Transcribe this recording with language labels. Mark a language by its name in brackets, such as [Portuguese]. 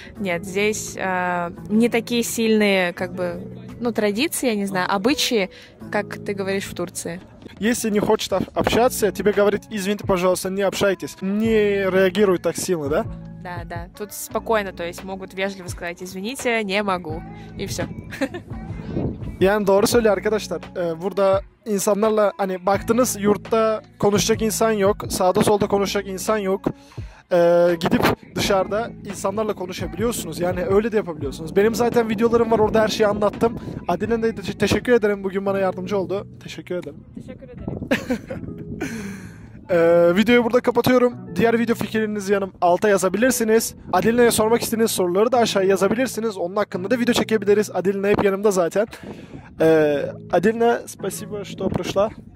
[Russian] Нет, здесь не такие сильные, как бы, ну, традиции, я не знаю, обычаи, как ты говоришь в Турции. Если не хочет общаться, тебе говорит, извините, пожалуйста, не общайтесь, не реагируй так сильно, да? Да, да, тут спокойно, то есть могут вежливо сказать, извините, не могу, и все. [Turkish] Yani doğru söylüyor arkadaşlar. Burada insanlarla hani baktınız yurtta konuşacak insan yok. Sağda solda konuşacak insan yok. Gidip dışarıda insanlarla konuşabiliyorsunuz. Yani öyle de yapabiliyorsunuz. Benim zaten videolarım var orada her şeyi anlattım. Adile de teşekkür ederim bugün bana yardımcı oldu. Teşekkür ederim. Teşekkür ederim. videoyu burada kapatıyorum. Diğer video fikirlerinizi yanım alta yazabilirsiniz. Adiline'ye sormak istediğiniz soruları da aşağıya yazabilirsiniz. Onun hakkında da video çekebiliriz. Adiline hep yanımda zaten. [Russian] Adiline, спасибо, что пришла.